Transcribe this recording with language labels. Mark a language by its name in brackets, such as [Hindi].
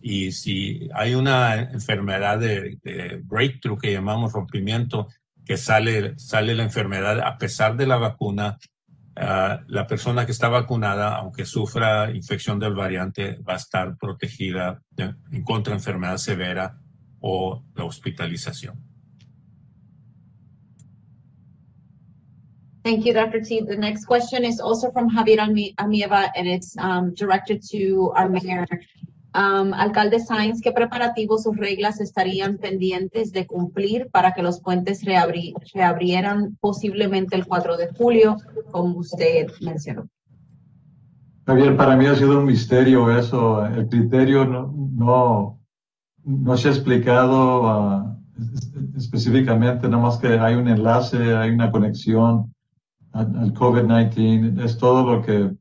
[Spanish] Y si hay una enfermedad de breakthrough, que llamamos rompimiento, que sale la enfermedad a pesar de la vacuna, la persona que está vacunada, aunque sufra infección del variante, va a estar protegida en contra de enfermedad severa o la hospitalización. [English] Thank you, Dr. T. The next question is also from Javier Amieva, and it's directed to our mayor. [Spanish] Alcalde Sainz, ¿qué preparativos o reglas estarían pendientes de cumplir para que los puentes reabrieran posiblemente el 4 de julio, como usted mencionó? Javier, para mí ha sido un misterio eso. El criterio no se ha explicado específicamente, nada más que hay un enlace, hay una conexión al COVID-19, es todo lo que